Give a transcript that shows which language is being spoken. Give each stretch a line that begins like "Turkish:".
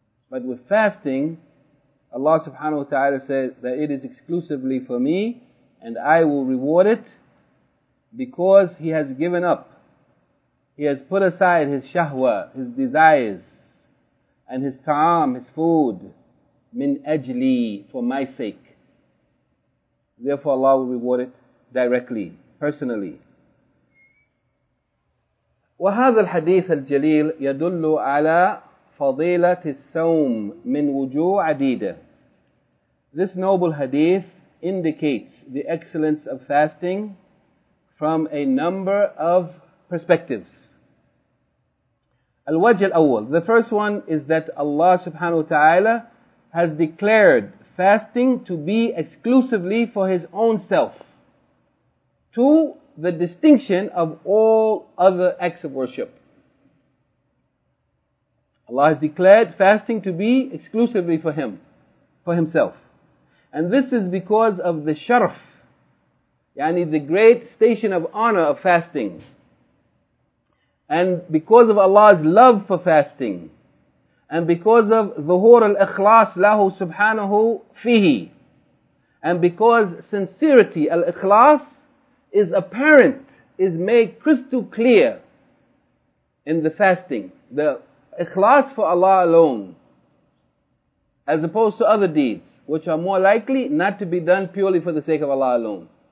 English: But with fasting, Allah subhanahu wa ta'ala said that it is exclusively for me and I will reward it because he has given up. He has put aside his shahwa, his desires, and his ta'am, his food, min ajli, for my sake. Therefore Allah will reward it directly, personally.
Arabic: وهذا الحديث الجليل يدل على فضيلة الصوم من وجوه عديدة.
English: This noble hadith indicates the excellence of fasting from a number of perspectives.
Arabic: الوجه الأول,
English: the first one is that Allah subhanahu wa ta'ala has declared fasting to be exclusively for His own self. Two, the distinction of all other acts of worship. Allah has declared fasting to be exclusively for Him, for Himself. And this is because of the sharaf, yani the great station of honor of fasting. And because of Allah's love for fasting. And because of
Arabic: ظهور الإخلاص له سبحانه فيه.
English: And because sincerity, al-ikhlas, is apparent, is made crystal clear in the fasting. The ikhlas for Allah alone. as opposed to other deeds, which are more likely not to be done purely for the sake of Allah alone.